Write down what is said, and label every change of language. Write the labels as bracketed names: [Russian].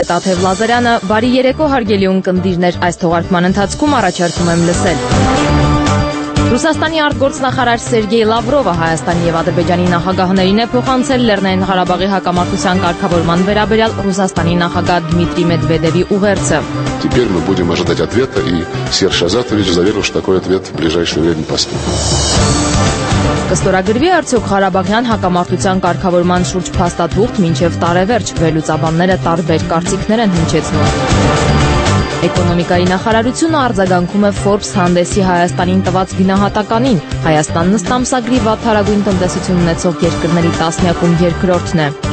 [Armenian] Տաթև Լազարյանը, բարի երեկո հարգելի ընկերներ, այս թողարկման ընթացքում առաջարկում եմ լսել. Ռուսաստանի արտգործնախարար Սերգեյ Լավրովը Հայաստանի եւ Ադրբեջանի նախագահներին է փոխանցել Լեռնային Ղարաբաղի հակամարտության կարգավորման վերաբերյալ Ռուսաստանի նախագահ Դմիտրի Մեդվեդևի ուղերձը. [Russian] Теперь мы будем ожидать ответа, и Серж Азатович заверил, что такой ответ в ближайшее время поступит. [Armenian] Կստորագրվի արդյոք Ղարաբաղյան հակամարտության կարգավորման շուրջ փաստաթուղթ մինչև տարեվերջ, վերլուծաբանները տարբեր կարծիքներ են հնչեցնում. Էկոնոմիկայի նախարարությունը արձագանքում է Forbes հանդեսի Հայաստանին տված գնահատականին. Հայաստանն ըստ ամսագրի վաթարագույն տնտեսություն ունեցող երկրների տասնյակում երկրորդն է։